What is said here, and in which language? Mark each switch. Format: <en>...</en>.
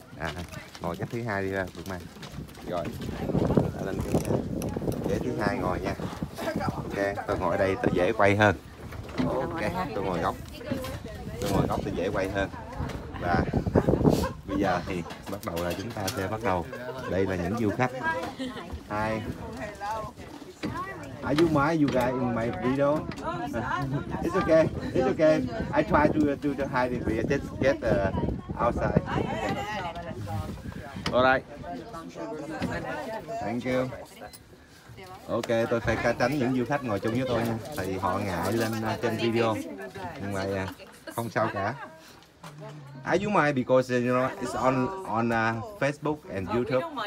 <vi>À, ngồi cách thứ hai đi ra được mà. Rồi, lên cái ghế thứ hai ngồi nha. Ok, tôi ngồi đây tôi dễ quay hơn. Ok, tôi ngồi góc tôi dễ quay hơn. Và bây giờ thì bắt đầu là chúng ta sẽ bắt đầu. Đây là những du khách. Hi.</vi> <en>Are you my you guys in my video? It's okay. I try to hide it, but just get outside. All right. Thank you.</en> <vi>Ok, tôi phải tránh những du khách ngồi chung với tôi nha, tại vì họ ngại lên trên video. Nhưng mà không sao cả.</vi> <en>Are you mind because you know it's on Facebook and YouTube?</en>